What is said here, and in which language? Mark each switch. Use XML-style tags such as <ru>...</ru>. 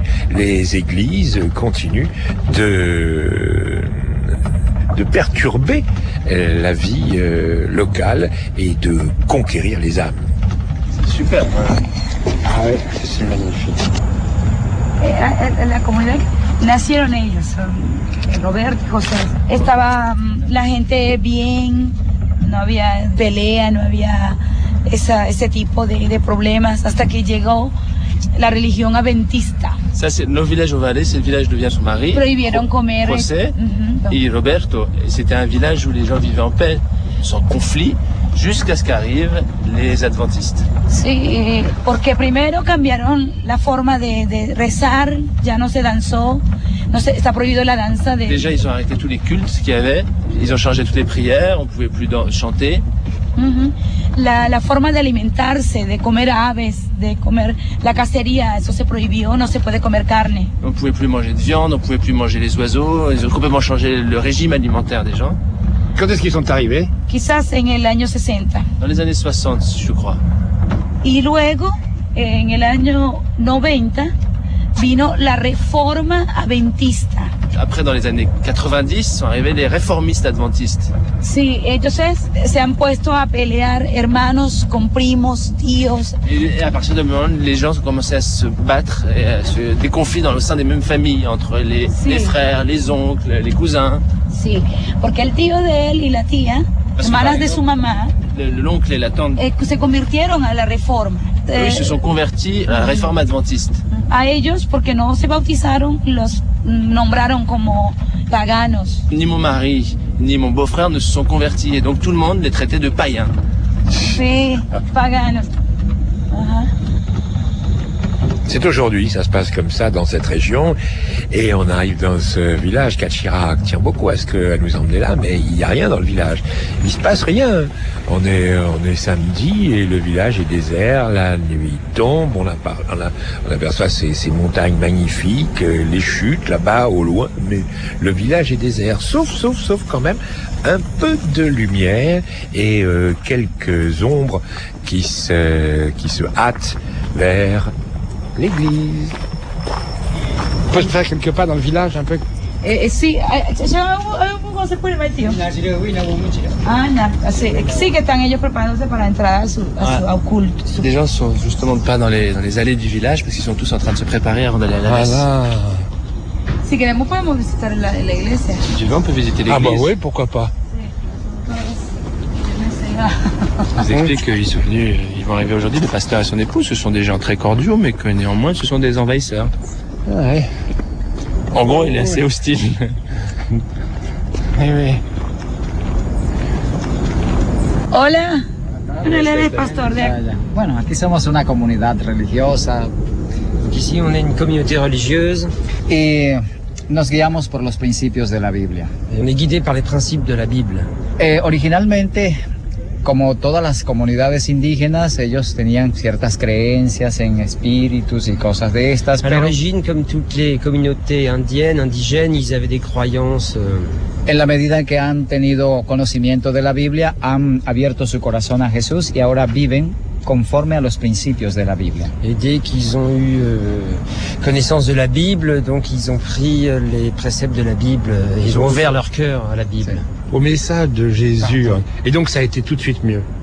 <fr>Les églises continuent de perturber la vie locale et de conquérir les âmes. C'est super. Hein? Ah ouais, c'est magnifique.</fr> <es>La comunidad nacieron ellos, Robert y José. Estaba la gente bien, no había pelea, no había ese tipo de problemas hasta que llegó la religión adventista.</es> <fr>Ça, c'est nos villages au Valais, c'est le village d'où vient son mari.</fr> <es>Prohibieron comer.</es> <fr>José et Roberto. C'était un village où les gens vivaient en paix, sans conflit, jusqu'à ce qu'arrivent les adventistes.</fr> <es>Sí, porque primero cambiaron la forma de rezar, ya no se danzó, no se, está prohibido la danza de...</es> <fr>Déjà, ils ont arrêté tous les cultes qu'il y avait, ils ont changé toutes les prières, on ne pouvait plus chanter.</fr> <es>La forma de alimentarse, de comer aves, de comer la cacería, eso se prohibió, no se puede comer carne.</es> <fr>On ne pouvait plus manger de viande, on ne pouvait plus manger les oiseaux, ils ont complètement changé le régime alimentaire des gens. Quand est-ce qu'ils sont arrivés?</fr> <es>Quizás en el año 60.</es> <fr>Dans les années 60, je crois.</fr> <es>Y luego, en el año 90, vino la reforma adventista.</es> <fr>Après, dans les années 90, sont arrivés les réformistes adventistes.</fr> <es>Sí, entonces se han puesto a pelear hermanos con primos, tíos.</es> <fr>Et à partir de moment, les gens ont commencé à se battre, et à se déconfier au sein des mêmes familles, entre les frères, les oncles, les cousins.</fr> <es>Sí, porque el tío de él y la tía, hermanas de su mamá,</es> <fr>l'oncle et la tante,</fr> <es>se convirtieron a la reforma.</es> <fr>Ils se sont convertis à la réforme adventiste.</fr> <es>A ellos, porque no se bautizaron, los nombraron como paganos.</es> <fr>Ni mon mari, ni mon beau-frère ne se sont convertis, et donc tout le monde les traitait de païens.</fr> <es>Sí, paganos.</es> <fr>C'est aujourd'hui, ça se passe comme ça dans cette région, et on arrive dans ce village. Cachira tient beaucoup à ce qu'elle nous emmenait là, mais il n'y a rien dans le village. Il ne se passe rien. On est samedi et le village est désert, la nuit tombe, on aperçoit ces montagnes magnifiques, les chutes là-bas au loin, mais le village est désert, sauf quand même un peu de lumière et quelques ombres qui se hâtent vers l'église. On peut faire quelques pas dans le village un peu.</fr> <es>Sí, ¿cómo se puede meter? Sí, que están ellos preparándose para entrar a su culto.</es> <fr>Les gens sont justement pas dans les allées du village parce qu'ils sont tous en train de se préparer avant d'aller à la messe. Voilà.</fr> <es>Si queremos podemos visitar la iglesia.</es> <fr>Si tu veux, on peut visiter l'église. Ah bah oui, pourquoi pas. Je vous explique qu'ils sont venus, ils vont arriver aujourd'hui, le pasteur et son épouse. Ce sont des gens très cordiaux, mais que néanmoins, ce sont des envahisseurs. Ouais. En gros, il est assez hostile. Oui, oui.</fr> <es>Hola. Hola, pasteur. Bueno, aquí somos una comunidad religiosa.</es> <fr>Ici, on est une communauté religieuse.</fr> <es>Et nos guiamos por los principios de la Biblia.</es> <fr>Et on est guidé par les principes de la Bible.</fr> <es>Et originalmente, como todas las comunidades indígenas, ellos tenían ciertas creencias en espíritus y cosas de estas.</es> <fr>À l'origine, comme toutes les communautés indiennes, indigènes, ils avaient des croyances.</fr> <es>En la medida en que han tenido conocimiento de la Biblia, han abierto su corazón a Jesús y ahora viven conforme a los principios de la Biblia.</es> <fr>Et dès qu'ils ont eu connaissance de la Bible, donc ils ont pris les préceptes de la Bible et ils ont ouvert leur cœur à la Bible. Au message de Jésus. Pardon. Et donc ça a été tout de suite mieux.</fr>